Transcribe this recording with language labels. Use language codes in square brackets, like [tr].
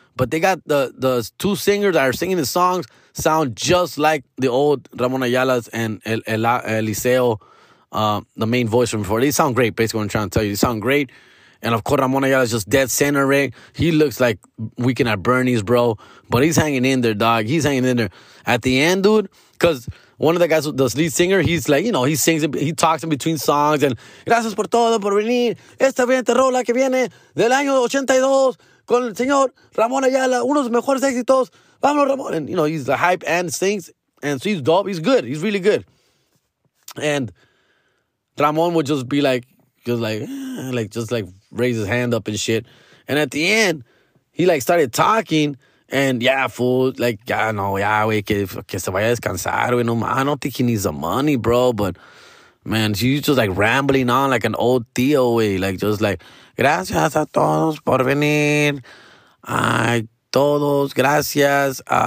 [en] But they got the two singers that are singing the songs sound just like the old Ramon Ayala's and Eliseo, the main voice from before. They sound great, basically what I'm trying to tell you. They sound great. And, of course, Ramon Ayala's just dead center, right? He looks like Weekend at Bernie's, bro. But he's hanging in there, dog. He's hanging in there. At the end, dude, because one of the guys, the lead singer, he's like, you know, he sings, he talks in between songs. [es] And, gracias por todo, por venir. Esta viente rola que viene del año 82. Con el señor Ramon Ayala, uno de los mejores éxitos. Vámonos, Ramon. [en] And, you know, he's the hype and sings. And so he's dope. He's good. He's really good. And Ramon would just be like, just like raise his hand up and shit. And at the end, he like started talking. And yeah, fool, like, yeah, no, yeah, we que se vaya descansado, you know, I don't think he needs the money, bro, but man, she's just like rambling on like an old tío, way, like, just like, gracias a todos por venir, ay, todos, gracias,